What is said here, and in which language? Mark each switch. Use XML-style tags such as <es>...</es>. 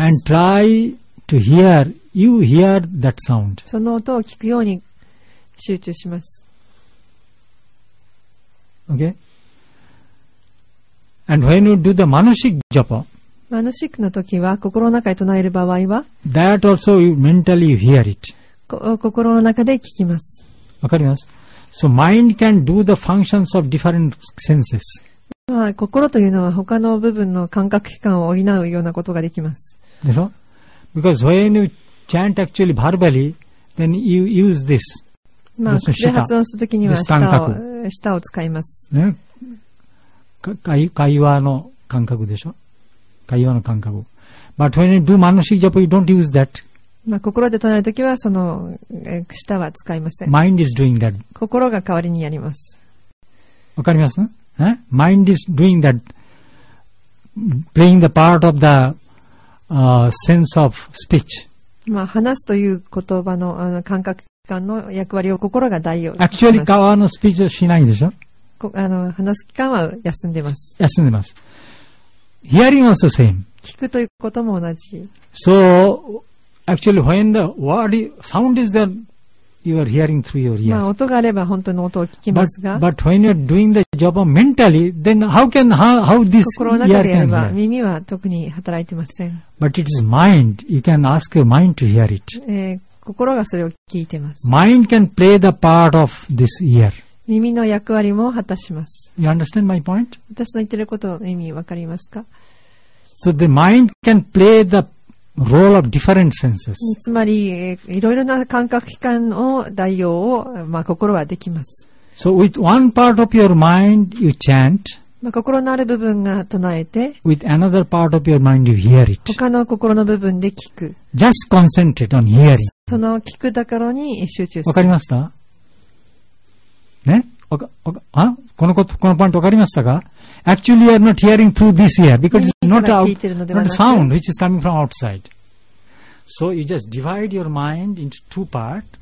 <en>and try to hear, you hear that sound.</en> <ja>その音を聞くように集中します。</ja> <en>Okay. And when you do the manasik japa,</en> <ja>manasik の時は心の中で唱える場合は</ja> <en>that also you mentally hear it.</en> <ja>心の中で聞きます。わかります。</ja> <en>So mind can do the functions of different senses.</en> <ja>まあ心というのは他の部分の感覚器官を補うようなことができます。でしょ?</ja> <en>Because when you chant actually verbally, then you use this.</en> <ja>まあ、口で発音するときには舌を使います、ね、会話の感覚でしょ会話の感覚</ja> <en>But when you do manasik japa you don't use that、</en> <ja>まあ、心で唱えるときはその舌は使いません</ja> <en>Mind is doing that</en> <ja>心が代わりにやりますわかります、ね、</ja> <en>Mind is doing that playing the part of the、sense of speech、</en> <ja>まあ、話すという言葉 の, あの感覚の役割を心が代用します。Actually, 会話のスピーチはしないんでしょ? あの、話す期間は休んでます。休んでます。</ja> <en>Hearing also same.</en> <ja>聞くということも同じ。</ja> <en>So, actually, when the word, sound is there, you are hearing through your ear.</en> <ja>まあ、音があれば本当の音を聞きますが。</ja> <en>But when you're doing the job mentally, then how this ear can hear?</en> <ja>心の中であれば耳は特に働いてません。</ja> <en>But it is mind. You can ask your mind to hear it.</en> <ja>心がそれを聞いてます。</ja> <en>Mind can play the part of this ear.</en> <ja>耳の役割も果たします。</ja> <en>You understand my point?</en> <ja>私の言ってることの意味わかりますか?</ja> <en>So the mind can play the role of different senses.</en> <ja>つまり、いろいろな感覚器官の代用を、まあ、心はできます。</ja> <en>So with one part of your mind, you chant.</en> <ja>まあ、心のある部分が唱えて、</ja> <en>with another part of your mind, you hear it.</en> <ja>他の心の部分で聞く。</ja> <en>Just concentrate on hearing.</en> <ja>その聞くところに集中する。わかりましたねあこのこと、このポイントわかりましたか ?</ja> <en>Actually, you are not hearing through this ear because it's not a sound which is coming from outside.So you just divide your mind into two parts.</en>